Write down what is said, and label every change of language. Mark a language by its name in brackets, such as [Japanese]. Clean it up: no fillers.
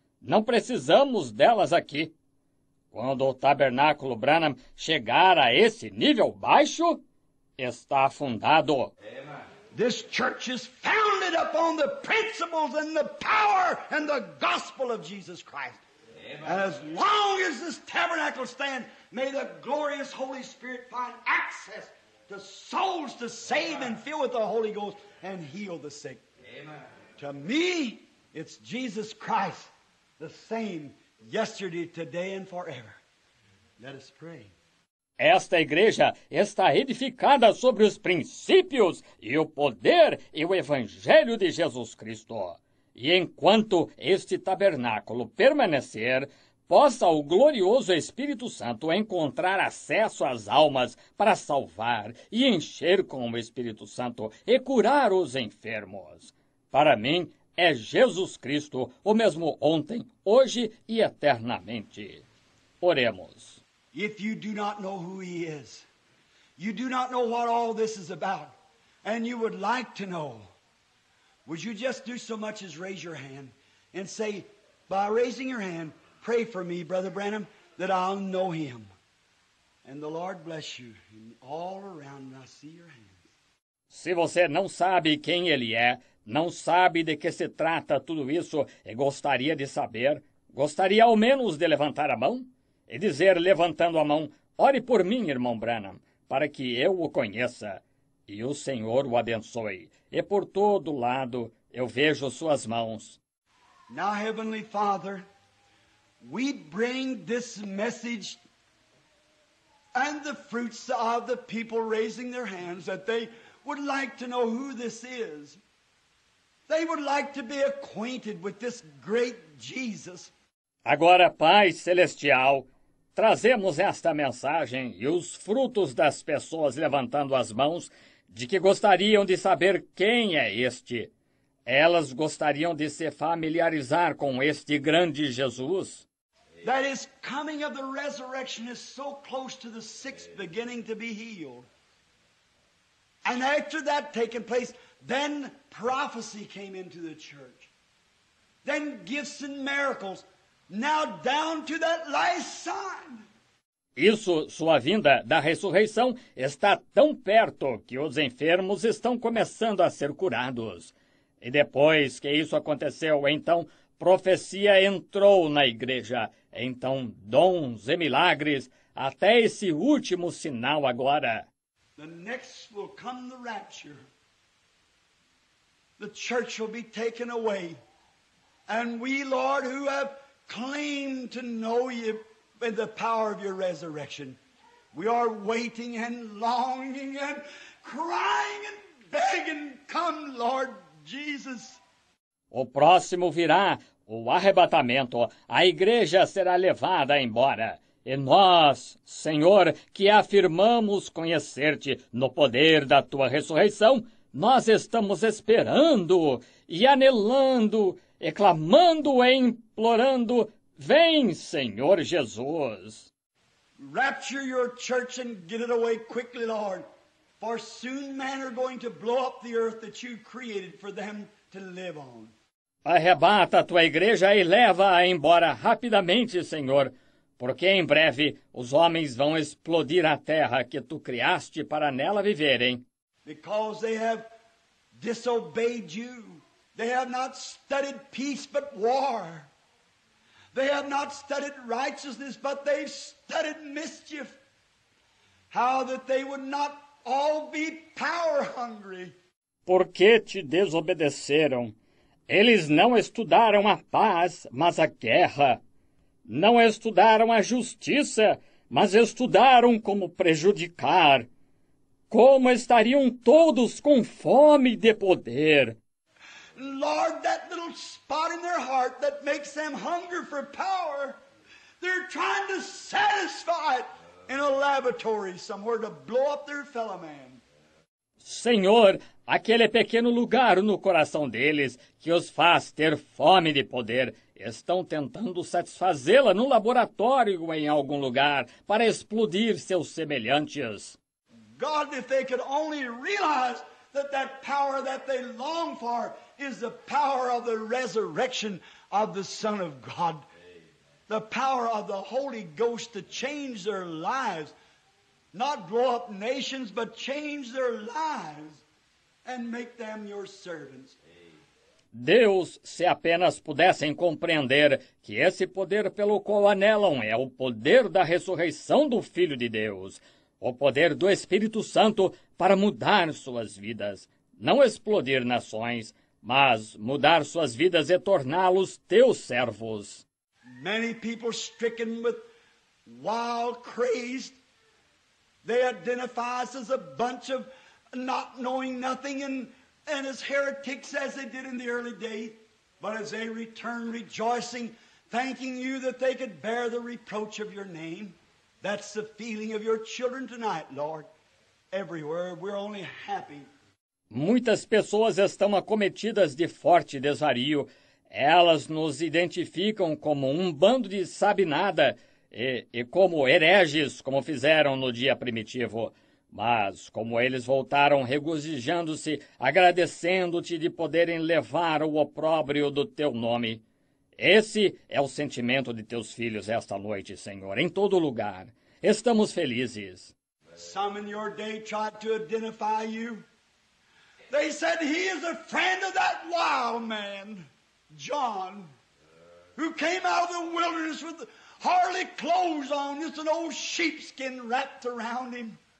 [Portuguese] Não precisamos delas aqui. Quando o tabernáculo Branham chegar a esse nível baixo, está afundado. [English] This church is founded upon the principles and the power and the gospel of Jesus Christ. Amen. As long as this tabernacle stands, may the glorious Holy Spirit find access to souls to save Amen. And fill with the Holy Ghost and heal the sick. Amen. To me, it's Jesus Christ, the same yesterday, today and forever. Let us pray. [Portuguese] Esta igreja está edificada sobre os princípios e o poder e o Evangelho de Jesus Cristo. E enquanto este tabernáculo permanecer, possa o glorioso Espírito Santo encontrar acesso às almas para salvar e encher com o Espírito Santo e curar os enfermos. Para mim, é Jesus Cristo, o mesmo ontem, hoje e eternamente. Oremos. [English] If you do not know who he is, you do not know what all this is about, and you would like to know, would you just do so much as raise your hand and say, by raising your hand, pray for me, Brother Branham, that I'll know him. And the Lord bless you. And all around, I see your hands. [Portuguese] Se você não sabe quem ele é, não sabe de que se trata tudo isso, e gostaria de saber, gostaria ao menos de levantar a mão? E dizer, levantando a mão, ore por mim, irmão Branham, para que eu o conheça. E o Senhor o abençoe. E por todo lado eu vejo suas mãos. [English] Now, Heavenly Father, we bring this message and the fruits of the people raising their hands that they would like to know who this is. They would like to be acquainted with this great Jesus. [Portuguese] Agora, Pai Celestial, trazemos esta mensagem e os frutos das pessoas levantando as mãos de que gostariam de saber quem é este. Elas gostariam de se familiarizar com este grande Jesus. [English] That is coming of the resurrection is so close to the sixth beginning to be healed. And after that taking place, then prophecy came into the church. Then gifts and miracles. Now down to that last sign. [Portuguese] Isso, sua vinda da ressurreição, está tão perto que os enfermos estão começando a ser curados. E depois que isso aconteceu, então, profecia entrou na igreja. Então, dons e milagres, até esse último sinal agora. [English] The next will come the rapture. The church will be taken away. And we, Lord, who have claim to know you by the power of your resurrection. We are waiting and longing and crying and begging, come, Lord Jesus. [Portuguese] O próximo virá, o arrebatamento. A igreja será levada embora. E nós, Senhor, que afirmamos conhecer-te no poder da tua ressurreição, nós estamos esperando e anelando, e clamando e implorando, vem, Senhor Jesus. [English] Rapture your church and get it away quickly, Lord. For soon men are going to blow up the earth that you created for them to live on. [Portuguese] Arrebata a tua igreja e leva-a embora rapidamente, Senhor, porque em breve os homens vão explodir a terra que tu criaste para nela viverem. [English] Because they have disobeyed you. They have not studied peace but war. They have not studied righteousness, but they've studied mischief. How that they would not all be power hungry. [Portuguese] Por que te desobedeceram? Eles não estudaram a paz, mas a guerra. Não estudaram a justiça, mas estudaram como prejudicar. Como estariam todos com fome de poder? [English] Lord, that little spot in their heart that makes them hunger for power, they're trying to satisfy it in a laboratory somewhere to blow up their fellow man. [Portuguese] Senhor, aquele pequeno lugar no coração deles que os faz ter fome de poder, estão tentando satisfazê-la no laboratório ou em algum lugar para explodir seus semelhantes. [English] God, if they could only realize that that power that they long for is the power of the resurrection of the Son of God. The power of the Holy Ghost to change their lives. Not blow up nations, but change their lives and make them your servants. [Portuguese] Deus, se apenas pudessem compreender que esse poder pelo qual anelam é o poder da ressurreição do Filho de Deus, o poder do Espírito Santo para mudar suas vidas, não explodir nações, mas mudar suas vidas e torná-los teus servos. [English] Many people stricken with wild crazed, they identify as a bunch of not knowing nothing and as heretics as they did in the early day, but as they return rejoicing, thanking you that they could bear the reproach of your name. That's the feeling of your children tonight, Lord. Everywhere, we're only happy. [Portuguese] Muitas pessoas estão acometidas de forte desvario. Elas nos identificam como um bando de sabe-nada e como hereges, como fizeram no dia primitivo. Mas como eles voltaram regozijando-se, agradecendo-te de poderem levar o opróbrio do teu nome. Esse é o sentimento de teus filhos esta noite, Senhor, em todo lugar. Estamos felizes. [English] Some in your day tried to identify you. They said he is a friend of that wild man, John, who came out of the wilderness with hardly clothes on, just an old sheepskin wrapped around him.